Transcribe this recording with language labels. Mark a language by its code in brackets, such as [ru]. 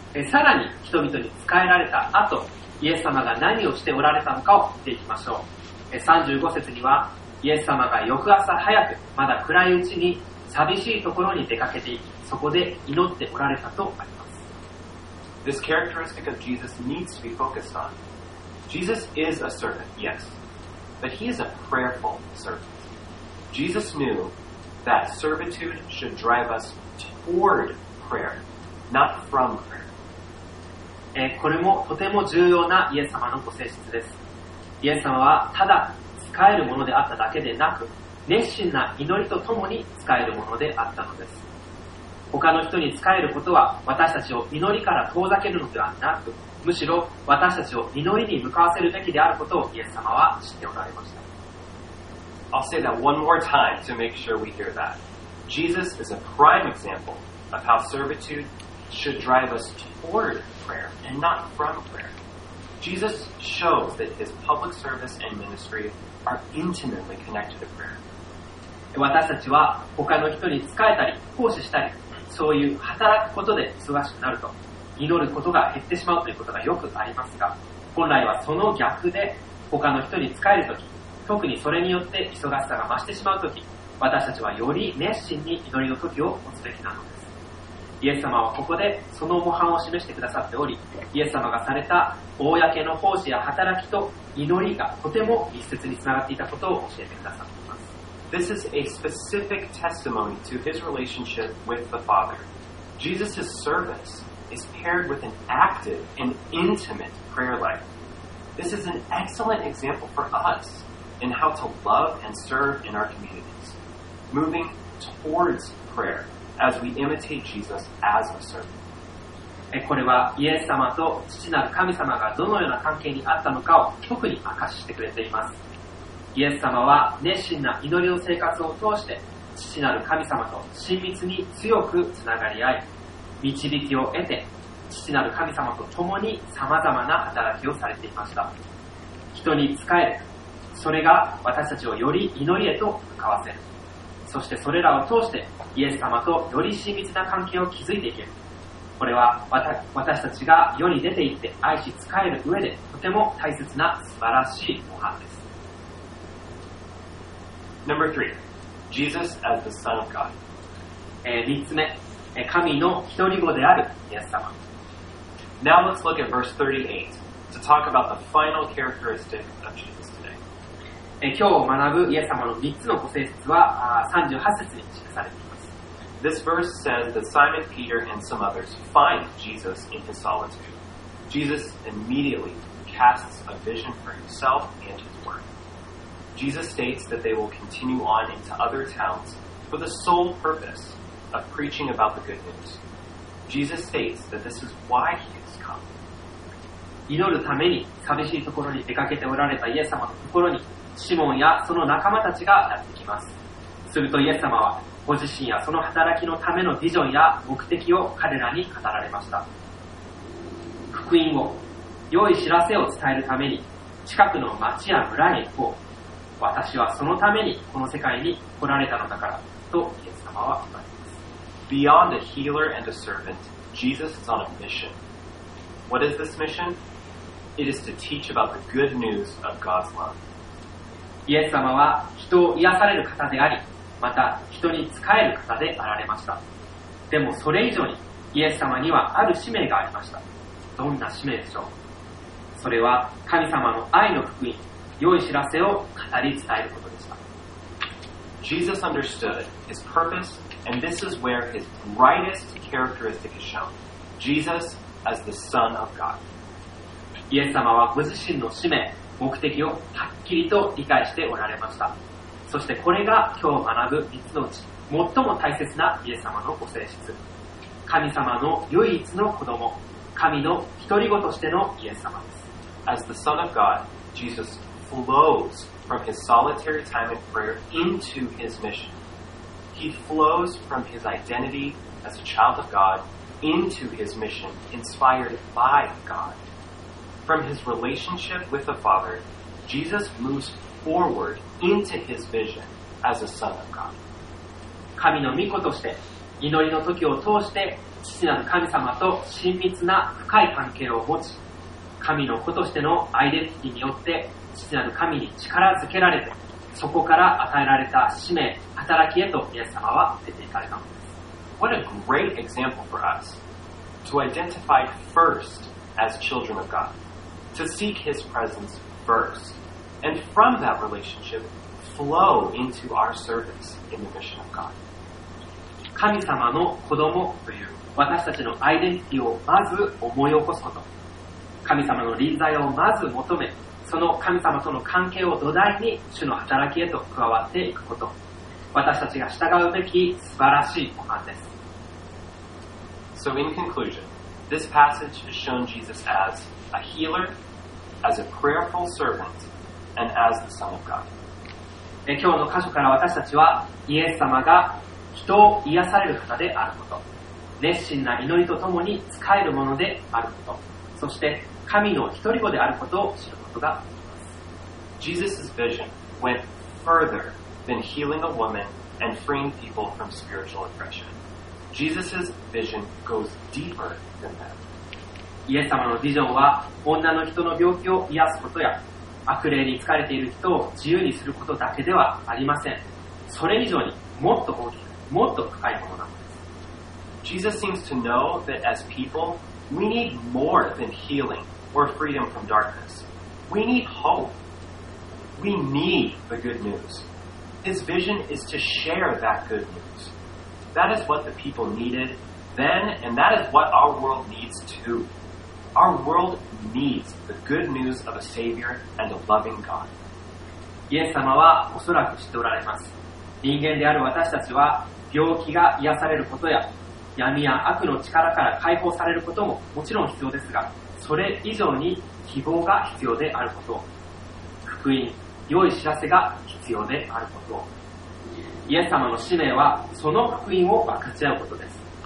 [ja] さらに人々に仕えられた後、イエス様が何をしておられたのかを見ていきましょう。 35節には、イエス様が翌朝早く、まだ暗いうちに寂しいところに出かけていき、そこで祈っておられたとあります。 [en] This characteristic of Jesus needs to be focused on. Jesus is a servant, yes, but he is a prayerful servant. Jesus knew that servitude should drive us toward prayer, not from prayer. [ja] これもとても重要なイエス様のご性質です。イエス様はただ使えるものであっただけでなく、熱心な祈りとともに使えるものであったのです。他の人に仕えることは私たちを祈りから遠ざけるのではなく、むしろ私たちを祈りに向かわせるべきであることをイエス様は知っておられました。 [en] I'll say that one more time to make sure we hear that. Jesus is a prime example of how servitude should drive us toward prayer and not from prayer. Jesus shows that his public service and ministry are intimately connected to prayer. [ja] 私たちは他の人に仕えたり奉仕したり、そういう働くことで忙しくなると祈ることが減ってしまうということがよくありますが、本来はその逆で、他の人に仕えるとき、特にそれによって忙しさが増してしまうとき、私たちはより熱心に祈りのときを持つべきなのです。イエス様はここでその模範を示してくださっており、イエス様がされた公の奉仕や働きと祈りがとても密接につながっていたことを教えてくださった。 [en] This is a specific testimony to his relationship with the Father. Jesus' service is paired with an active and intimate prayer life. This is an excellent example for us in how to love and serve in our communities, moving towards prayer as we imitate Jesus as a servant. [ja] これはイエス様と父なる神様がどのような関係にあったのかを特に明かしてくれています。イエス様は熱心な祈りの生活を通して父なる神様と親密に強くつながり合い、導きを得て父なる神様と共に様々な働きをされていました。人に仕える、それが私たちをより祈りへと向かわせる。そしてそれらを通してイエス様とより親密な関係を築いていける。これは私たちが世に出て行って愛し仕える上でとても大切な素晴らしい模範です。 [en] Number three, Jesus as the Son of God. [ja] 3つ目、神の一人子であるイエス様。 [en] Now let's look at verse 38 to talk about the final characteristic of Jesus today. [ja] 今日学ぶイエス様の3つの個性説は38節に記されています。 [en] This verse says that Simon Peter and some others find Jesus in his solitude. Jesus immediately casts a vision for himself and his work. Jesus states that they will continue on into other towns for the sole purpose of preaching about the good news. Jesus states that this is why he has come. [ja] 祈るために寂しいところに出かけておられたイエス様のところにシモンやその仲間たちがやってきます。するとイエス様はご自身やその働きのためのビジョンや目的を彼らに語られました。福音を、良い知らせを伝えるために近くの町や村へ行こう。私はそのためにこの世界に来られたのだからとイエス様は言われます。 [en] Beyond a healer and a servant, Jesus is on a mission. What is this mission? It is to teach about the good news of God's love. [ja] イエス様は人を癒される方であり、また人に仕える方であられました。でもそれ以上にイエス様にはある使命がありました。どんな使命でしょう。それは神様の愛の福音、良い知らせを語り伝えることでした。 [en] Jesus understood his purpose, and this is where his brightest characteristic is shown. Jesus as the Son of God. [ja] イエス様はご自身の使命、目的をはっきりと理解しておられました。そしてこれが今日学ぶ3つのうち最も大切なイエス様のご性質、神様の唯一の子供、神の独り子としてのイエス様です。 [en] As the Son of God, Jesus flows from his solitary time of prayer into his mission. He flows from his identity as a child of God into his mission inspired by God. From his relationship with the Father, Jesus movesForward into his vision as a son of God. [ja] 神の御子として祈りの時を通して父なる神様と親密な深い関係を持ち、神の子としてのアイデンティティによって父なる神に力づけられて、そこから与えられた使命、働きへとイエス様は出ていかれたのです。 [en] What a great example for us to identify first as children of God, to seek his presence firstAnd from that relationship, flow into our service in the mission of God. [ja] 神様の子供という私たちのアイデンティティをまず思い起こすこと、神様の臨在をまず求め、その神様との関係を土台に主の働きへと加わっていくこと、私たちが従うべき素晴らしい模範です。 [en] So in conclusion, this passage has shown Jesus as a healer, as a prayerful servant,And as the Son of God. [ja] 今日の箇所から私たちはイエス様が人を癒される方であること、熱心な祈りとともに仕えるものであること、そして神の独り子であることを知ることができます。 [en] Jesus' vision went further than healing a woman and freeing people from spiritual oppression. Jesus' vision goes deeper than that. [ja] イエス様のビジョンは女の人の病気を癒すことや悪霊に疲れている人を自由にすることだけではありません。それ以上にもっと大きく、もっと深いものなのです。 [en] Jesus seems to know that as people, we need more than healing or freedom from darkness. We need hope. We need the good news. His vision is to share that good news. That is what the people needed then, and that is what our world needs too. Our world needs the good news of a Savior and a loving God. [ja] イエス様はおそらく知っておられます。人間である私たちは病気が癒されることや闇や悪の力から解放されることももちろん必要ですが、それ以上に希望が必要であること、福音、良い知らせが必要であること、イエス様の使命はその福音を分かち合うことです。